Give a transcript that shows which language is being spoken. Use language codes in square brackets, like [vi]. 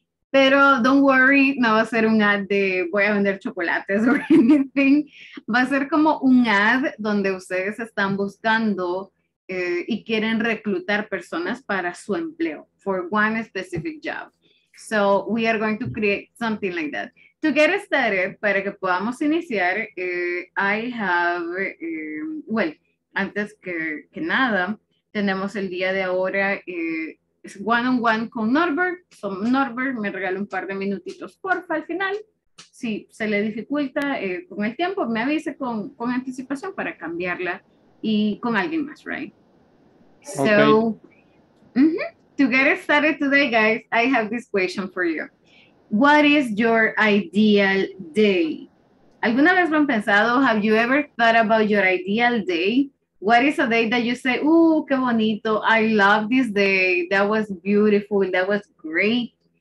[es] Pero [en] don't worry, [es] no va a ser un ad de voy a vender chocolates [en] or anything. [es] Va a ser como un ad donde ustedes están buscando y quieren reclutar personas para su empleo, [en] for one specific job. So we are going to create something like that. To get started, [es] para que podamos iniciar, [en] I have, well, [es] antes que nada, tenemos el día de ahora one-on-one con Norbert. So Norbert, me regala un par de minutitos, porfa, al final. Si se le dificulta con el tiempo, me avise con anticipación para cambiarla y con alguien más, right? [en] Okay. So, to get started today, guys, I have this question for you. What is your ideal day? [es] ¿Alguna vez lo han pensado? [en] Have you ever thought about your ideal day? What is a day that you say, ooh, [es] qué bonito, [en] I love this day, that was beautiful, that was great.